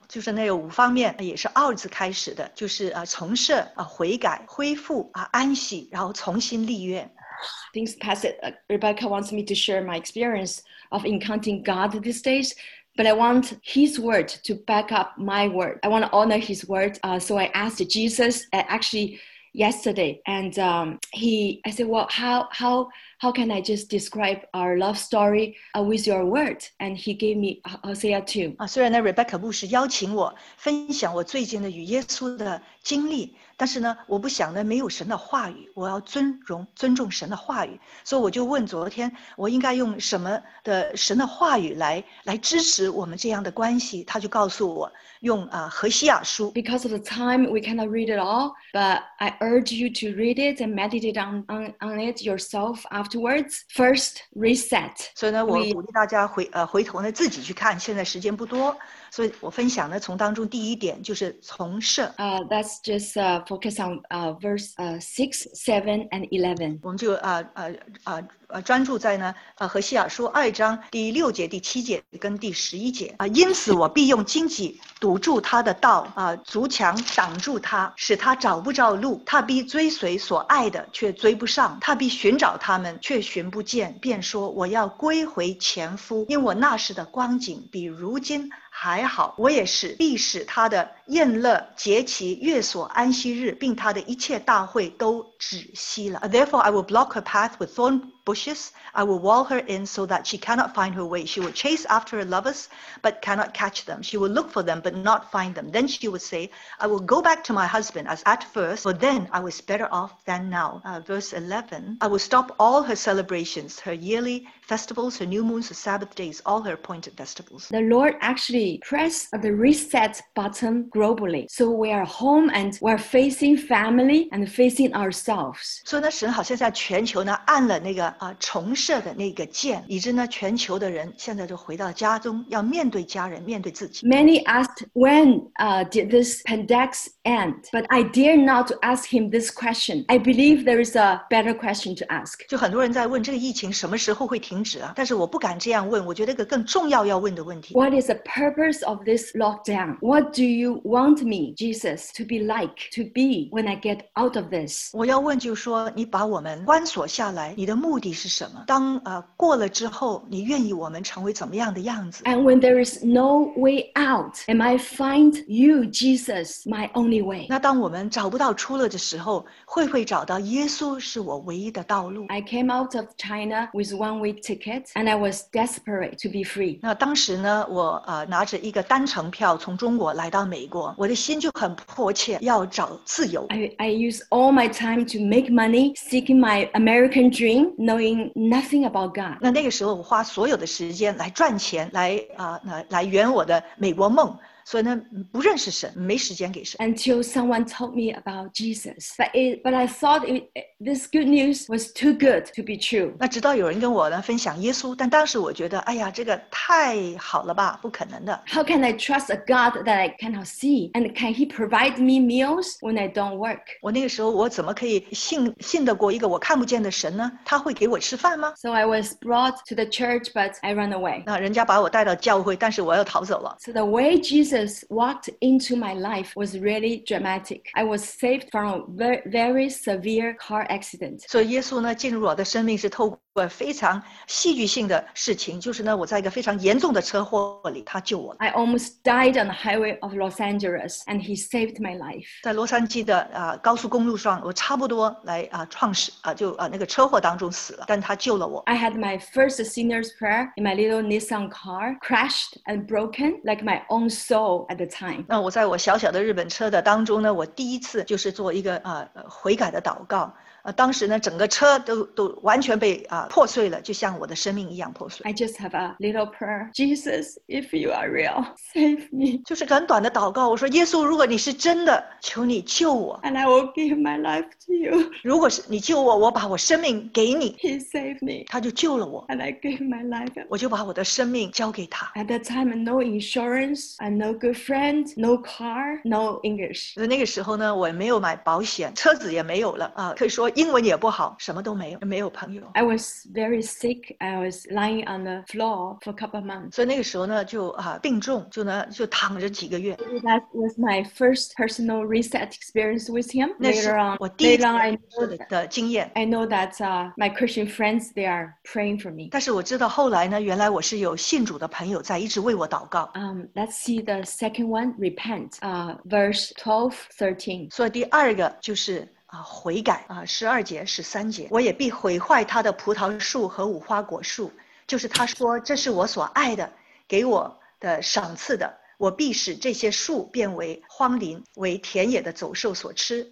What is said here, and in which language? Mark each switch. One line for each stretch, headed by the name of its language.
Chinese: 就是那有五方面，也是 R 字开始的，就是重设、悔改、恢复、安息，然后重新立约。
English: Thanks, Pastor. Rebecca wants me to share my experience of encountering God these days, but I want His word to back up my word. I want to honor His word. So I asked Jesus, actually yesterday, and I said, well, how can I just describe our love story with your word? And He gave me Hosea 2.
Chinese: 虽然呢 ，Rebecca 牧师邀请我分享我最近的与耶稣的经历。但是呢，我不想呢没有神的话语，我要尊重神的话语，所以我就问昨天我应该用什么的神的话语来支持我们这样的关系，他就告诉我用何西亚书。
English: Because of the time, we cannot read it all, but I urge you to read it and meditate on it yourself afterwards. First, reset.
Chinese: 所以呢，我鼓励大家回头呢自己去看，现在时间不多。所以我分享呢，从当中第一点就是重设。
English: That's just focus on verse 6, 7, and 11.
Chinese: 我们就专注在呢何西亚书二章第六节、第七节跟第十一节因此我必用荆棘堵住他的道筑墙挡住他，使他找不着路。他必追随所爱的，却追不上；他必寻找他们，却寻不见，便说我要归回前夫，因我那时的光景比如今还好。我也是必使他的宴乐节期、月所安息日，并他的一切大会都止息了。
English: Therefore, I will block her path with thorn bushes. I will wall her in so that she cannot find her way. She will chase after her lovers, but cannot catch them. She will look for them, but not find them. Then she will say, I will go back to my husband as at first, for then I was better off than now. Verse 11. I will stop all her celebrations, her yearly festivals, her new moons, her Sabbath days, all her appointed festivals. The Lord actually press the reset button globally. So we are home and we are facing family and facing ourselves.
Chinese: 所以呢，神好像在全球呢按了那个啊重设的那个键，以致呢全球的人现在就回到家中，要面对家人，面对自己。
English: Many asked when did this pandemic end, but I dare not to ask him this question. I believe there is a better question to ask.
Chinese: 就很多人在问这个疫情什么时候会停止啊？但是我不敢这样问，我觉得一个更重要要问的问题。
English: What is the purpose of this lockdown? What do you want me, Jesus, to be like, to be when I get out of this?
Chinese: 我要问就是说，你把我们关锁下来，你的目的是什么？当过了之后，你愿意我们成为怎么样的样子？
English: And when there is no way out, am I find you, Jesus, my only way?
Chinese: 那当我们找不到出路的时候，会不会找到耶稣是我唯一的道路？
English: I came out of China with one-way ticket, and I was desperate to be free.
Chinese: 那当时呢，我拿着一个单程票从中国来到美国，我的心就很迫切要找自由。
English: I use all my time to make money, seeking my American dream, knowing nothing about God.
Chinese: 那那个时候我花所有的时间来赚钱，来圆我的美国梦。所以呢，不认识神，没时间给神。
English: Until someone told me about Jesus, but I thought this good news was too good to be true.
Chinese: 那直到有人跟我呢分享耶稣，但当时我觉得，哎呀，这个太好了吧，不可能的。
English: How can I trust a God that I cannot see, and can He provide me meals when I don't work?
Chinese: 我那个时候我怎么可以信得过一个我看不见的神呢？他会给我吃饭吗
English: ？So I was brought to the church, but I ran away.
Chinese: 那人家把我带到教会，但是我又逃走了。
English: So the way Jesus walked into my life was really dramatic. I was saved from a very severe car accident.
Chinese: 所以耶稣呢进入我的生命是透过非常戏剧性的事情，就是呢我在一个非常严重的车祸里，他救我了。
English: I almost died on the highway of Los Angeles, and he saved my life.
Chinese: 在洛杉矶的高速公路上，我差不多来那个车祸当中死了，但他救了我。
English: I had my first sinner's prayer in my little Nissan car, crashed and broken like my own soul at the time.
Chinese: 那我在我小小的日本车的当中呢，我第一次就是做一个悔改的祷告。当时呢，整个车都完全被破碎了，就像我的生命一样破碎。
English: I just have a little prayer, Jesus, if you are real, save me.
Chinese: 就是很短的祷告，我说耶稣，如果你是真的，求你救我。
English: And I will give my life to you.
Chinese: 如果是你救我，我把我生命给你。
English: He saved me.
Chinese: 他就救了我。
English: And I gave my life.
Chinese: 我就把我的生命交给他。
English: At that time, no insurance, and no good friend, no car, no English.
Chinese: 那个时候呢，我没有买保险，车子也没有了可以说。英文也不好，什么都没有，没有朋友。
English: I was very sick. I was lying on the floor for a couple of months.
Chinese: 所以那个时候呢，就病重，就躺着几个月。
English: That was my first personal reset experience with him.
Chinese: 那是我第一次的经验。
English: I know that my Christian friends they are praying for me.
Chinese: 但是我知道后来呢，原来我是有信主的朋友在一直为我祷告。
English: Let's see the second one. Repent. Verse 12-13.
Chinese: 所以第二个就是。悔改十二节十三节，我也必毁坏他的葡萄树和无花果树，就是他说这是我所爱的，给我的赏赐的，我必使这些树变为荒林，为田野的走兽所吃。